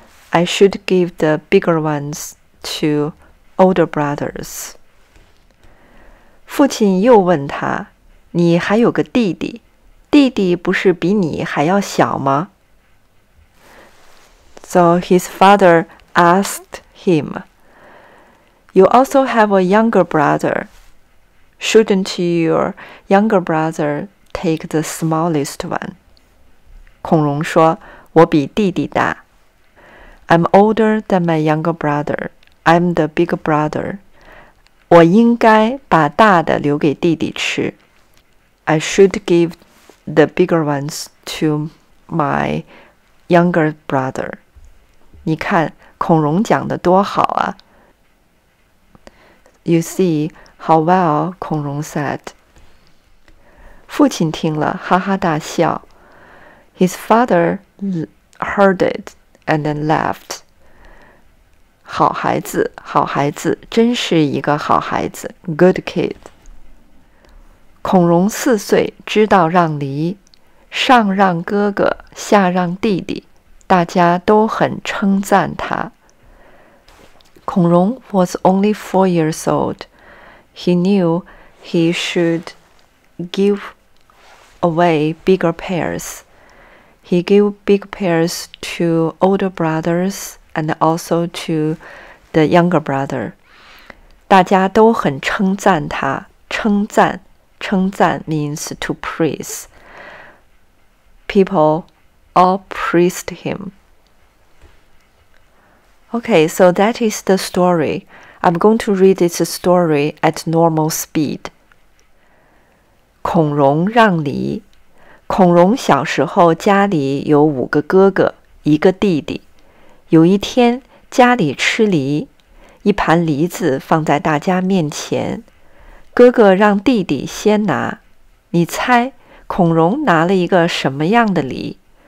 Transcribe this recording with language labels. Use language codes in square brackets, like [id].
[en] I should give the bigger ones to older brothers. [zh] 父亲又问他，你还有个弟弟，弟弟不是比你还要小吗？ [en] So his father asked him,You also have a younger brother. Shouldn't your younger brother take the smallest one? [zh] 孔融说，我比弟弟大。 [en] I'm older than my younger brother. I'm the bigger brother. [zh] 我应该把大的留给弟弟吃。 [en] I should give the bigger ones to my younger brother. [zh] 你看，孔融讲得多好啊。 [en] You see how well 孔融 said. [zh] 父亲听了，哈哈大笑。 [en] His father heard it and then laughed. [zh] 好孩子，好孩子，真是一个好孩子。 [en] Good kid. [zh] 孔融四岁，知道让梨，上让哥哥，下让弟弟，大家都很称赞他。 [en] 孔融 was only 4 years old. He knew he should give away bigger pears. He gave big pears to older brothers and also to the younger brother. [zh] 大家都很称赞他。称赞，称赞 [en] means to praise. People all praised him. Okay, so that is the story. I'm going to read this story at normal speed. [zh] 孔融让梨。孔融小时候家里有五个哥哥，一个弟弟。有一天，家里吃梨，一盘梨子放在大家面前。哥哥让弟弟先拿。你猜，孔融拿了一个什么样的梨？